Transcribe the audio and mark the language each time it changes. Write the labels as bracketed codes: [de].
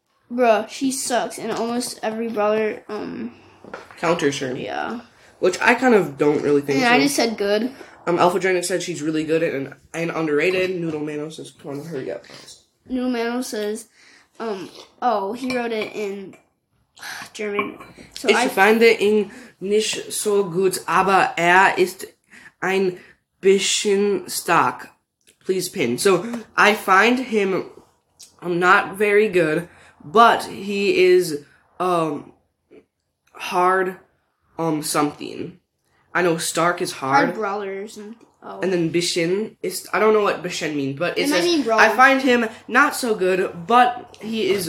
[en] Bruh, she sucks, and almost every brawler counters her. Yeah. Which I kind of don't really think and And I just said good. Alpha Dragon said she's really good at and underrated. Noodle Mano says, come on, hurry up. Noodle Mano says, he wrote it in German. [de] So ich finde ihn nicht so gut, aber ist ein bisschen stark. [en] Please pin. So, I find him not very good, but he is hard something. I know Stark is hard. Hard brawler or something. Oh. And then Bishin is... I don't know what Bishin means, but it says... I find him not so good, but he is...